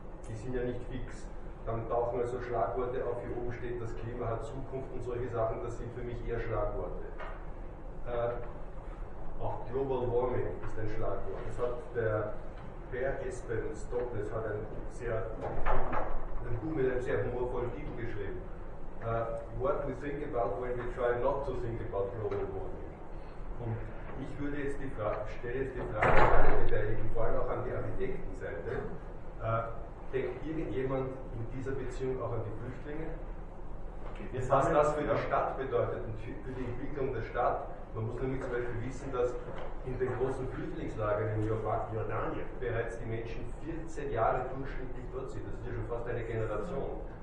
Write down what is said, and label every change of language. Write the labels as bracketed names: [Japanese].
[German] Die sind ja nicht fix. Dann tauchen also Schlagworte auf, hier oben steht, das Klima hat Zukunft und solche Sachen, das sind für mich eher Schlagworte. Auch Global Warming ist ein Schlagwort. Das hat der Per Espen Stoknes, hat ein Buch mit einem sehr humorvollen Titel geschrieben. [English] What we think about when we try not to think about global warming. [German] Und Ich würde jetzt die Frage, stelle jetzt die Frage an alle Beteiligten, vor allem auch an die Architektenseite. Denkt irgendjemand in dieser Beziehung auch an die Flüchtlinge? Was das für die Stadt bedeutet und für die Entwicklung der Stadt? Man muss nämlich zum Beispiel wissen, dass in den großen Flüchtlingslagern in Jordanien bereits die Menschen 14 Jahre durchschnittlich dort sind. Das ist ja schon fast eine Generation.